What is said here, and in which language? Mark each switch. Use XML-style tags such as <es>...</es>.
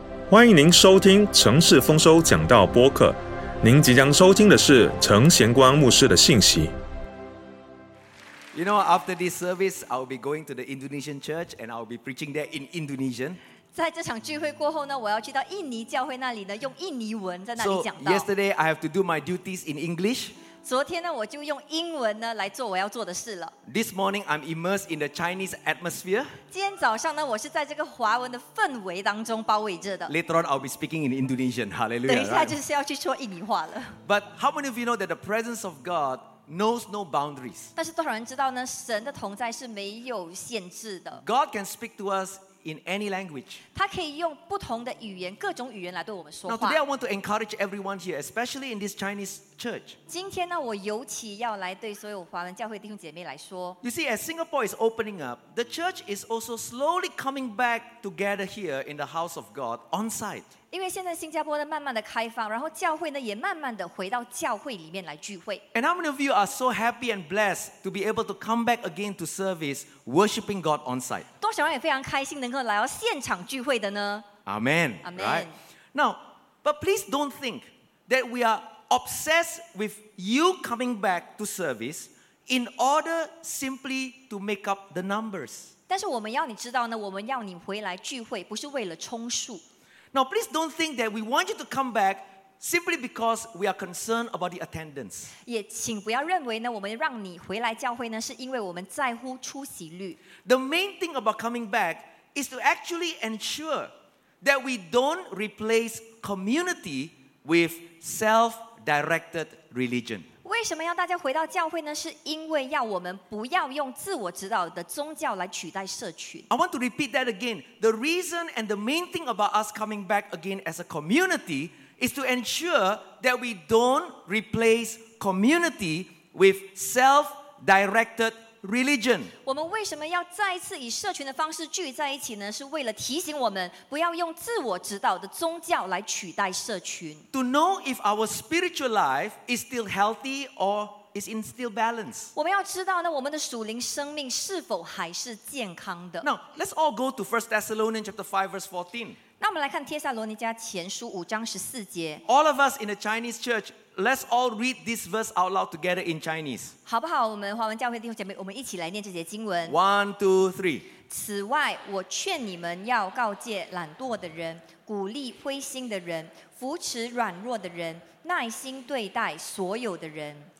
<zh>欢迎您收听《城市丰收讲道》播客。您即将收听的是程贤光牧师的信息。</zh> <en>You know, after this service, I will be going to the Indonesian church and I will be preaching there in Indonesian.</en> <zh>在这场聚会过后呢，我要去到印尼教会那里呢，用印尼文在那里讲道。</zh> <en>So yesterday, I have to do my duties in English.</en> <zh>昨天呢，我就用英文呢来做我要做的事了。</zh> <en>This morning, I'm immersed in the Chinese atmosphere.</en> <zh>今天早上呢，我是在这个华文的氛围当中包围着的。</zh> <en>Later on, I'll be speaking in Indonesian. Hallelujah.</en> <zh>等一下就是要去说印尼话了。</zh> <en>But how many of you know that the presence of God knows no boundaries?</en> <zh>但是多少人知道呢？神的同在是没有限制的。</zh> <en>God can speak to us in any language.</en> <zh>他可以用不同的语言，各种语言来对我们说话。</zh> <en>Now today I want to encourage everyone here, especially in this Chinese church.</en> <zh>今天呢，我尤其要来对所有华文教会弟兄姐妹来说。</zh> <en>You see, as Singapore is opening up, the church is also slowly coming back together here in the house of God on site.</en> <zh>因为现在新加坡呢慢慢的开放，然后教会呢也慢慢的回到教会里面来聚会。</zh> <en>And how many of you are so happy and blessed to be able to come back again to service, worshiping God on site?</en> <zh>多少人也非常开心能够来到现场聚会的呢？</zh> <en>Amen. Amen. Right? Now, but please don't think that we are obsessed with you coming back to service in order simply to make up the numbers.</en> <zh>但是我们要你知道呢，我们要你回来聚会不是为了充数。</zh> <en>Now, please don't think that we want you to come back simply because we are concerned about the attendance.</en> <zh>也请不要认为呢，我们让你回来教会呢，是因为我们在乎出席率。</zh> <en>The main thing about coming back is to actually ensure that we don't replace community with self-directed religion.</en> <zh>为什么要大家回到教会呢？是因为要我们不要用自我指导的宗教来取代社群。</zh> <en>I want to repeat that again. The reason and the main thing about us coming back again as a community is to ensure that we don't replace community with self-directed religion.</en> <zh>我们为什么要再次以社群的方式聚在一起呢？是为了提醒我们不要用自我指导的宗教来取代社群。</zh> <en>To know if our spiritual life is still healthy or is in still balance.</en> <zh>我们要知道呢，我们的属灵生命是否还是健康的。</zh> <en>Now, let's all go to 1 Thessalonians chapter 5 verse 14.</en> <zh>那我们来看帖撒罗尼迦前书五章十四节。</zh> <en>All of us in the Chinese church,Let's all read this verse out loud together in Chinese.</en> <zh>好不好？我们华文教会弟兄姐妹，我们一起来念这节经文。</zh> <en>One, two, three.</en> <zh>此外，我劝你们要告诫懒惰的人，鼓励灰心的人，扶持软弱的人，耐心对待所有的人。</zh>